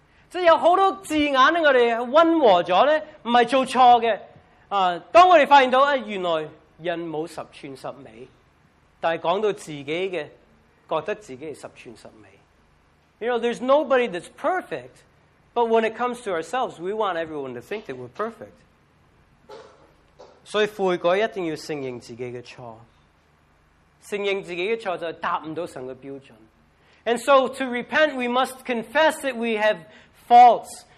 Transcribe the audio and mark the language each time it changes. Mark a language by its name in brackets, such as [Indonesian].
[Chinese] 即是有很多字眼我们温和了,不是做错的。当我们发现到原来人没有十全十美,但是讲到自己的,觉得自己是十全十美。 [English] You know, there's nobody that's perfect, but when it comes to ourselves, we want everyone to think that we're perfect. [Chinese] 所以悔改一定要承认自己的错。承认自己的错就是达不到神的标准。 [English] And so to repent, we must confess that we have faults.